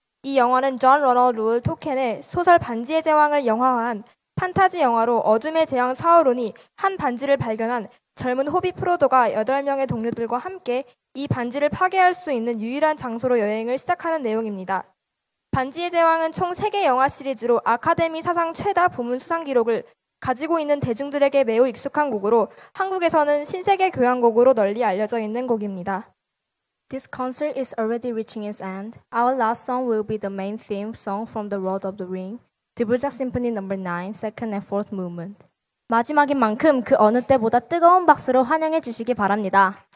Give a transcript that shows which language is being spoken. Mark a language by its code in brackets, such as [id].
[ko] 이 영화는 존 로널드 루얼 토켄의 소설 반지의 제왕을 영화화한 판타지 영화로 어둠의 제왕 사오론이 한 반지를 발견한 젊은 호비 프로도가 8명의 동료들과 함께 이 반지를 파괴할 수 있는 유일한 장소로 여행을 시작하는 내용입니다. 반지의 제왕은 총 3개 영화 시리즈로 아카데미 사상 최다 부문 수상 기록을 가지고 있는 대중들에게 매우 익숙한 곡으로 한국에서는 신세계 교향곡으로 널리 알려져 있는 곡입니다. [en] This concert is already reaching its end. Our last song will be the main theme song from the Lord of the Ring, Dvořák Symphony No. 9, Second and Fourth Movement. [ko] 마지막인 만큼 그 어느 때보다 뜨거운 박수로 환영해 주시기 바랍니다.